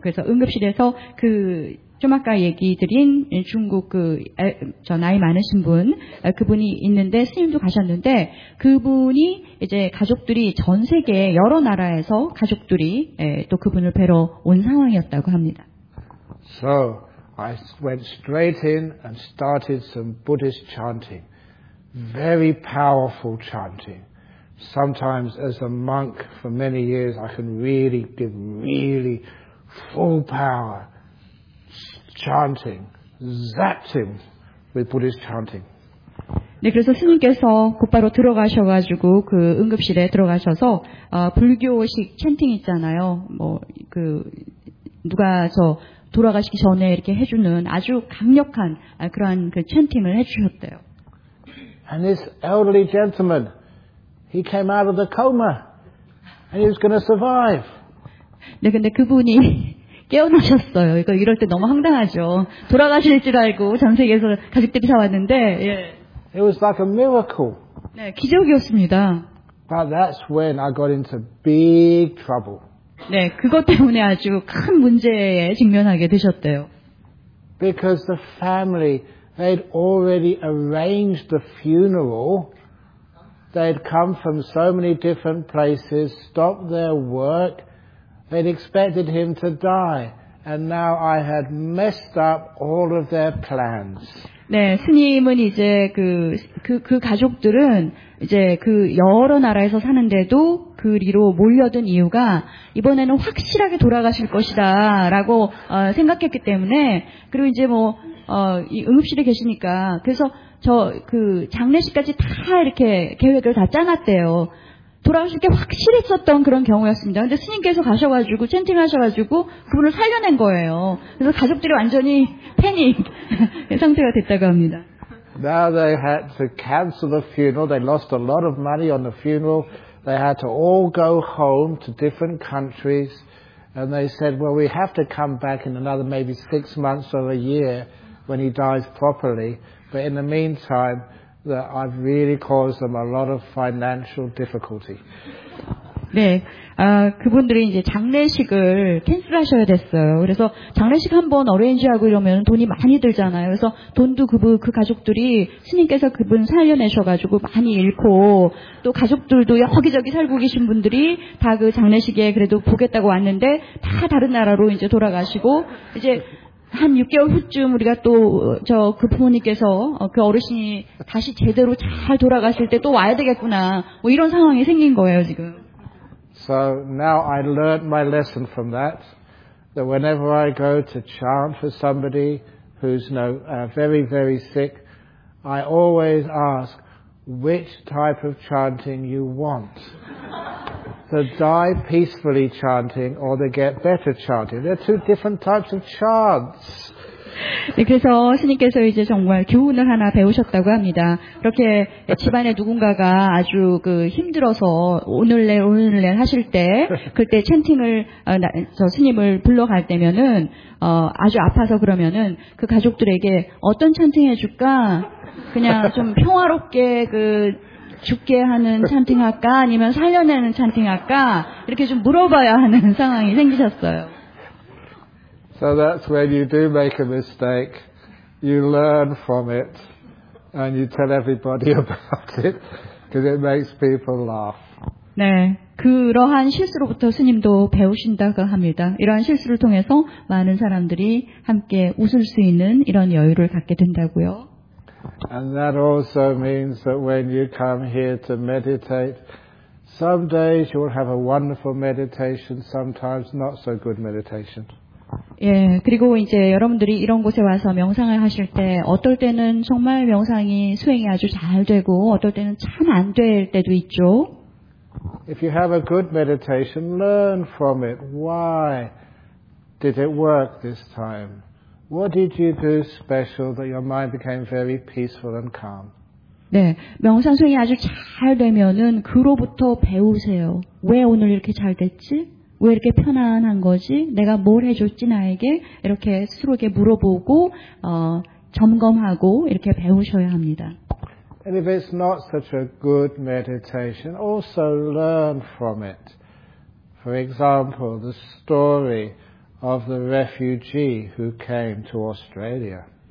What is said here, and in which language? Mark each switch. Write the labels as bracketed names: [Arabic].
[Korean] 그래서 응급실에서 그 좀 아까 얘기 드린 중국 그 저 나이 많으신 분 그분이 있는데 스님도 가셨는데 그분이 이제 가족들이 전 세계 여러 나라에서 가족들이 또 그분을 뵈러 온 상황이었다고 합니다. [English] So I went straight in and started some Buddhist chanting. Very powerful chanting. sometimes as a monk for many years, I can really give really full power chanting, zapping with Buddhist chanting. [Korean] 네, 그래서 스님께서 곧바로 들어가셔가지고 그 응급실에 들어가셔서 불교식 찬팅 있잖아요. 뭐 그 누가 저 돌아가시기 전에 이렇게 해주는 아주 강력한 그러한 그 찬팅을 해주셨대요. [English] And this elderly gentleman, he came out of the coma, and he was going to survive. [Korean] 네, 근데 그분이 깨어나셨어요. 그러니까 이럴 때 너무 황당하죠. 돌아가실 줄 알고 전세계에서 가족들이 사왔는데. 예. [English] It was like a miracle. [Korean] 네, 기적이었습니다. [English] But that's when I got into big trouble. [Korean] 네, 그것 때문에 아주 큰 문제에 직면하게 되셨대요. [English] Because the family, they'd already arranged the funeral. They'd come from so many different places, stopped their work. They'd expected him to die. And now I had messed up all of their plans. [Korean] 네, 스님은 이제 그 가족들은 이제 그 여러 나라에서 사는데도 그리로 몰려든 이유가 이번에는 확실하게 돌아가실 것이다라고 생각했기 때문에 그리고 이제 뭐 이 응급실에 계시니까 그래서 저 그 장례식까지 다 이렇게 계획을 다 짜놨대요. 돌아가실 게 확실했었던 그런 경우였습니다. 근데 스님께서 가셔가지고 챈팅하셔가지고 그분을 살려낸 거예요. 그래서 가족들이 완전히 패닉 상태가 됐다고 합니다. [English] Now they had to cancel the funeral. They lost a lot of money on the funeral. They had to all go home to different countries. And they said, well, we have to come back in another maybe 6 months or a year when he dies properly. But in the meantime, that I've really caused them a lot of financial difficulty. [Korean] 네, 그분들이 이제 장례식을 캔슬하셔야 됐어요. 그래서 장례식 한번 어레인지하고 이러면 돈이 많이 들잖아요. 그래서 돈도 그 가족들이 스님께서 그분 살려내셔가지고 많이 잃고 또 가족들도 여기저기 살고 계신 분들이 다 그 장례식에 그래도 보겠다고 왔는데 다 다른 나라로 이제 돌아가시고 이제. 한 6개월 후쯤 우리가 또 저 그 부모님께서 그 어르신이 다시 제대로 잘 돌아가실 때 또 와야 되겠구나 뭐 이런 상황이 생긴 거예요 지금. [English] So now I learned my lesson from that. That whenever I go to chant for somebody who's very very sick, I always ask which type of chanting you want. The die peacefully chanting or the get better chanting. They're two different types of chants. [Korean] 네, 그래서 스님께서 이제 정말 교훈을 하나 배우셨다고 합니다. 그렇게 집안에 누군가가 아주 그 힘들어서 오늘 내일 하실 때, 그때 챈팅을 저 스님을 불러갈 때면은 아주 아파서 그러면은 그 가족들에게 어떤 챈팅 해줄까? 그냥 좀 평화롭게 그 죽게 하는 찬팅 할까 아니면 살려내는 찬팅 할까 이렇게 좀 물어봐야 하는 상황이 생기셨어요. [English] So that's when you do make a mistake, you learn from it, and you tell everybody about it because it makes people laugh. [Korean] 네, 그러한 실수로부터 스님도 배우신다고 합니다. 이러한 실수를 통해서 많은 사람들이 함께 웃을 수 있는 이런 여유를 갖게 된다고요. [English] And that also means that when you come here to meditate, some days you will have a wonderful meditation, sometimes not so good meditation. [Korean] 예, 그리고 이제 여러분들이 이런 곳에 와서 명상을 하실 때 어떨 때는 정말 명상이 수행이 아주 잘 되고 어떨 때는 참 안 될 때도 있죠. [English] If you have a good meditation, learn from it. Why did it work this time? What did you do special that your mind became very peaceful and calm? [Korean] 네, 명상 수행이 아주 잘 되면은 그로부터 배우세요. 왜 오늘 이렇게 잘 됐지? 왜 이렇게 편안한 거지? 내가 뭘 해줬지 나에게? 이렇게 스스로에게 물어보고 점검하고 이렇게 배우셔야 합니다. [English] And if it's not such a good meditation, also learn from it. For example, the story of the refugee who came to Australia.